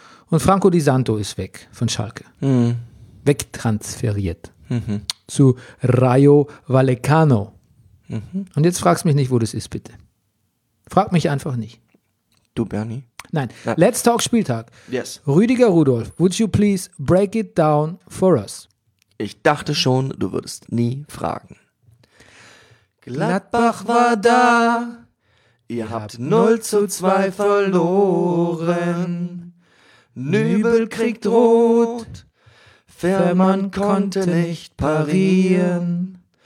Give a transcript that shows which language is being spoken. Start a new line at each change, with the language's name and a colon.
German: Und Franco Di Santo ist weg von Schalke. Wegtransferiert. Zu Rayo Vallecano. Und jetzt fragst mich nicht, wo das ist, bitte. Frag mich einfach nicht. Du, Bernie? Nein.
English: Let's talk Spieltag. Yes. Rüdiger Rudolf, would you please break it down for us?
German: Ich dachte schon, du würdest nie fragen. Gladbach war da, ihr habt 0-2 verloren. Nübel kriegt rot, Fährmann konnte nicht parieren.